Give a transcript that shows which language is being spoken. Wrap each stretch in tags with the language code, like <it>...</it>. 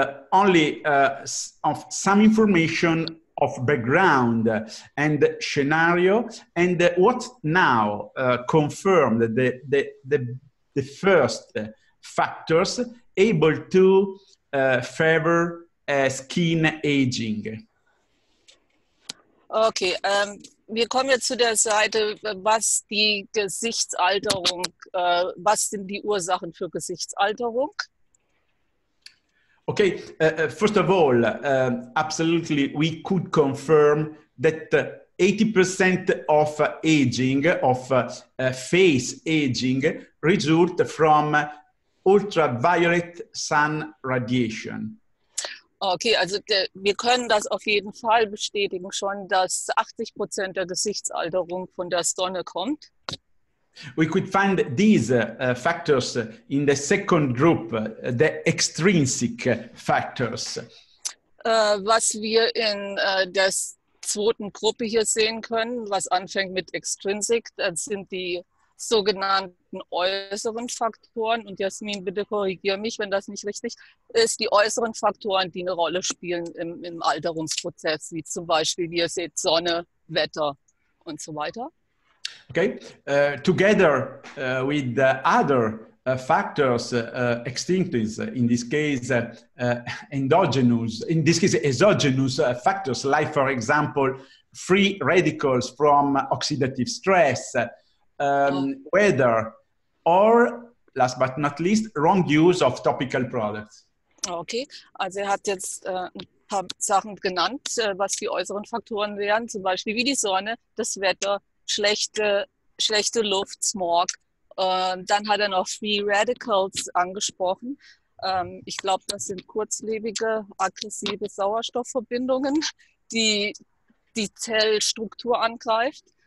<en>Only of some information of background and scenario, and what now confirmed the first factors able to favor skin aging.</en> <de>Okay, wir kommen jetzt zu der Seite, was die Gesichtsalterung, was sind die Ursachen für Gesichtsalterung?</de> <en>Okay, first of all, absolutely, we could confirm that 80% of aging, of face aging, result from ultraviolet sun radiation.</en> <de>Okay, also wir können das auf jeden Fall bestätigen schon, dass 80% der Gesichtsalterung von der Sonne kommt.</de> <en>We could find these factors in the second group, the extrinsic factors.</en> <de>Was wir in der zweiten Gruppe hier sehen können, was anfängt mit extrinsic, das sind die sogenannten äußeren Faktoren. Und Jasmin, bitte korrigiere mich, wenn das nicht richtig ist. Die äußeren Faktoren, die eine Rolle spielen im Alterungsprozess, wie zum Beispiel, wie ihr seht, Sonne, Wetter und so weiter.</de> <en>Okay, together with the other factors, extinctives, in this case, endogenous, in this case, exogenous factors, like, for example, free radicals from oxidative stress, weather, or, last but not least, wrong use of topical products.</en> <de>Okay, also er hat jetzt ein paar Sachen genannt, was die äußeren Faktoren wären, zum Beispiel wie die Sonne, das Wetter, schlechte Luft, Smog. Dann hat er noch Free Radicals angesprochen. Ich glaube, das sind kurzlebige, aggressive Sauerstoffverbindungen, die die Zellstruktur angreift.</de>